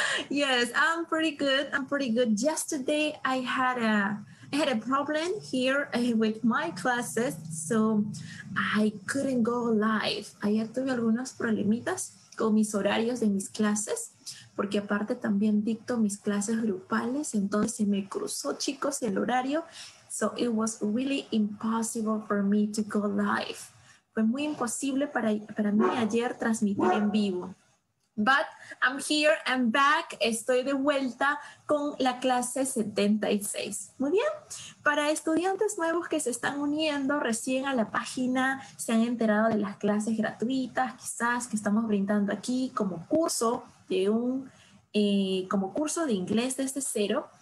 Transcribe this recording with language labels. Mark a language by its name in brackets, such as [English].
[English] Yes, I'm pretty good. I'm pretty good. Yesterday, I had a problem here with my classes, so I couldn't go live. [Spanish] Ayer tuve algunos problemitas con mis horarios de mis clases, porque aparte también dicto mis clases grupales, entonces se me cruzó, chicos, el horario. [English] So it was really impossible for me to go live. [Spanish] Fue muy imposible para mí ayer transmitir en vivo. [English] But I'm here, I'm back, [Spanish] estoy de vuelta con la clase 76. Muy bien, para estudiantes nuevos que se están uniendo recién a la página, se han enterado de las clases gratuitas, quizás que estamos brindando aquí como curso de como curso de inglés desde cero.